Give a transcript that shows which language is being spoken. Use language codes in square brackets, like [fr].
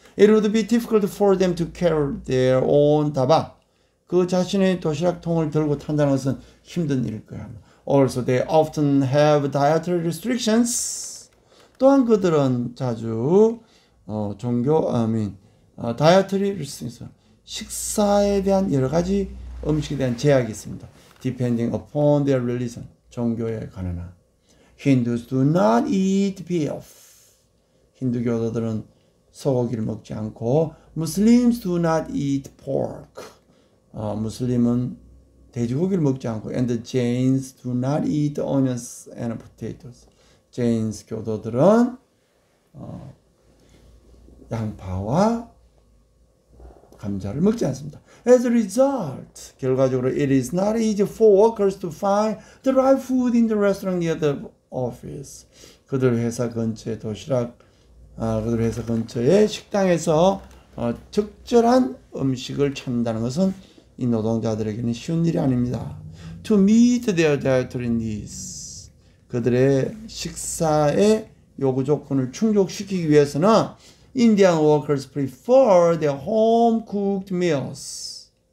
[en] It would be difficult for them to carry their own 다바. [ko] 그 자신의 도시락통을 들고 탄다는 것은 힘든 일일 거야. [en] Also, they often have dietary restrictions. [ko] 또한 그들은 자주 [en] dietary restrictions. [ko] 식사에 대한 여러 가지 음식에 대한 제약이 있습니다. [en] Depending upon their religion, [ko] 종교에 관한. [en] Hindus do not eat beef. [ko] 힌두교도들은 소고기를 먹지 않고 [en] Muslims do not eat pork. [ko] 무슬림은 돼지고기를 먹지 않고 [en] and the Jains do not eat onions and potatoes. [ko] 제인스 교도들은 양파와 감자를 먹지 않습니다. [en] As a result, [ko] 결과적으로 [en] it is not easy for workers to find the right food in the restaurant near the office. [ko] 그들 회사 근처의 도시락, 그들 회사 근처의 식당에서 적절한 음식을 찾는다는 것은 이 노동자들에게는 쉬운 일이 아닙니다. [en] To meet their dietary needs. [ko] 그들의 식사의 요구 조건을 충족시키기 위해서는 [en] Indian workers prefer their home-cooked meals.